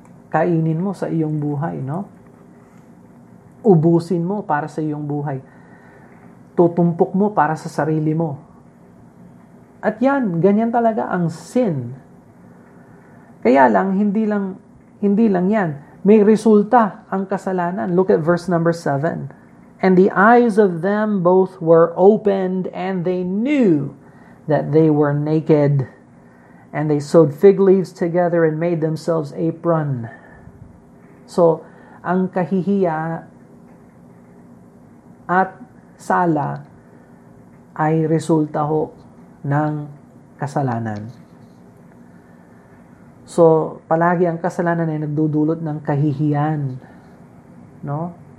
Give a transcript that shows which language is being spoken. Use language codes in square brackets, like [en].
[tl] Kainin mo sa iyong buhay, no? Ubusin mo para sa iyong buhay. Tutumpok mo para sa sarili mo. At yan, ganyan talaga ang sin. Kaya lang, hindi lang yan. May resulta ang kasalanan. [en] Look at verse number 7. "And the eyes of them both were opened, and they knew that they were naked. And they sewed fig leaves together and made themselves apron." [tl] So, ang kahihiya at sala ay resulta ho ng kasalanan. So, palagi ang kasalanan ay nagdudulot ng kahihiyan, no?